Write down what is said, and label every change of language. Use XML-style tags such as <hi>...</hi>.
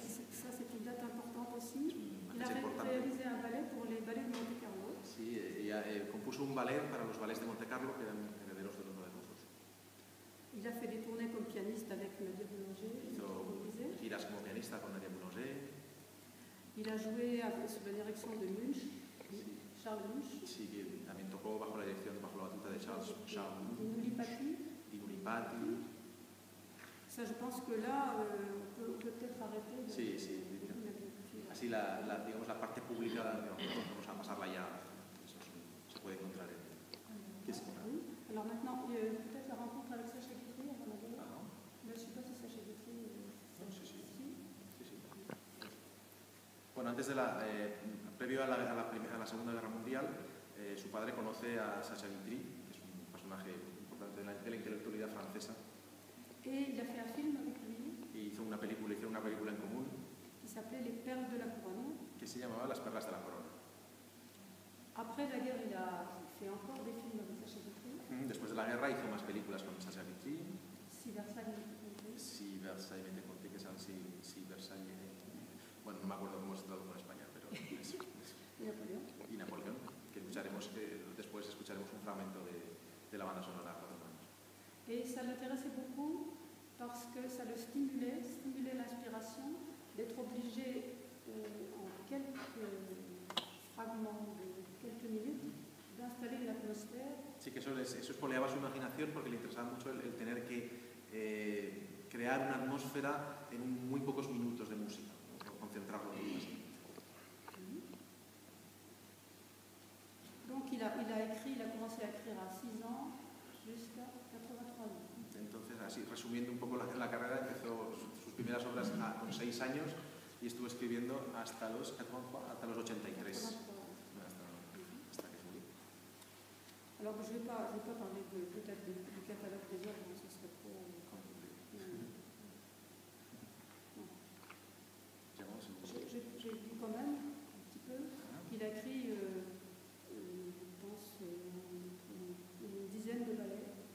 <fr>Ça c'est une date importante aussi. Il a réalisé un ballet pour les ballets de Monte Carlo.</fr> <es>Sí, ella compuso un ballet para los ballets de Monte Carlo, que eran herederos de los ballets rusos.</es> <fr>Il a fait des tournées comme pianiste avec Nadia Boulanger.</fr> <es>Giras como pianista con Nadia Boulanger.</es> <fr>Il a joué sous la direction de Munch, Charles Munch.</fr> <es>Sí, también tocó bajo la dirección de Pablo. Shaul. Dinulipati. Dinulipati.</es> <fr>Ça, je pense que là, on peut peut-être arrêter.</fr> <es>De... Sí, sí. Así la, la, digamos, la parte pública, vamos a pasarla ya. Eso es, se puede encontrar. En... ¿Qué es?</es> <fr>Oui. Alors maintenant, peut-être la rencontre avec Sacha Guitry, à mon avis. Je ne sais pas si Sacha Guitry.</fr> <es>Sí, sí. Bueno, antes de la, previo a la Segunda Guerra Mundial, su padre conoce a Sacha Guitry, que es un personaje importante de la intelectualidad francesa. Y ha hecho un film con él. Y hizo una película, hicieron una película en común. Que se llamaba Les Perles de la Corona. Que se llamaba Las Perlas de la Corona.</es> <fr>Après la guerre, il a fait encore des films avec Sacha Guitry.</fr> <es>Después de la guerra hizo más películas con Sacha Guitry.</es> <fr>Si Versailles.</fr> <es>Si Versailles me conté que es así, si Versailles. Bueno, no me acuerdo cómo se traduce en español, pero ¿Y Napoleón? Y Napoleón, que escucharemos, después escucharemos un fragmento de la banda sonora de Napoleón.</es> <fr>Y ça l'intéressait beaucoup parce que ça le stimulait l'inspiration d'être obligé en quelques fragments de quelques minutes d'installer une atmosphère.</fr> <es>Sí, que eso espoleaba su imaginación porque le interesaba mucho el tener que crear una atmósfera en muy pocos minutos de música. Concentrarlo</es> <fr>donc il a écrit il a commencé à écrire à 6 ans jusqu'à 83 ans.</fr> <es>Entonces así resumiendo un poco la carrera empezó sus primeras obras con 6 años y estuvo escribiendo hasta los 83. Hasta que murió.</es> <fr>Alors je vais pas parler de peut-être du catalogue des œuvres mais ce serait trop compliqué. J'ai dit quand même un petit peu qu'il a écrit, une dizaine de ballets.</fr>